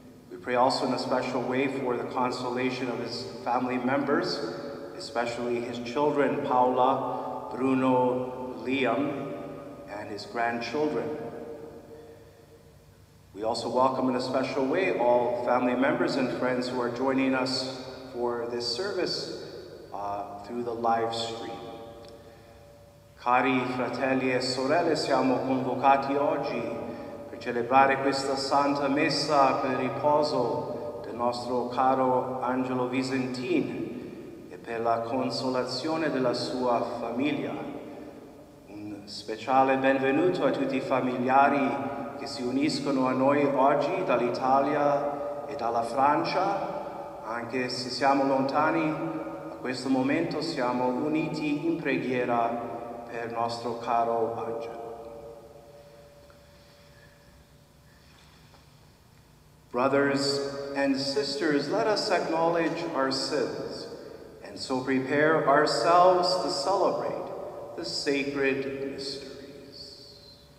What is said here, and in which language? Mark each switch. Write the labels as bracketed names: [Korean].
[English] We pray also in a special way for the consolation of his family members, especially his children, Paula, Bruno, Liam, and his grandchildren. We also welcome in a special way all family members and friends who are joining us for this service through the live stream. [Italian] Cari fratelli e sorelle, siamo convocati oggi per celebrare questa santa messa per riposo del nostro caro Angelo Visentin e per la consolazione della sua famiglia. Un speciale benvenuto a tutti i familiari che si uniscono a noi oggi dall'Italia e dalla Francia, anche se siamo lontani, a questo momento siamo uniti in preghiera per nostro caro Angelo. [English] Brothers and sisters, let us acknowledge our sins and so prepare ourselves to celebrate the sacred mysteries.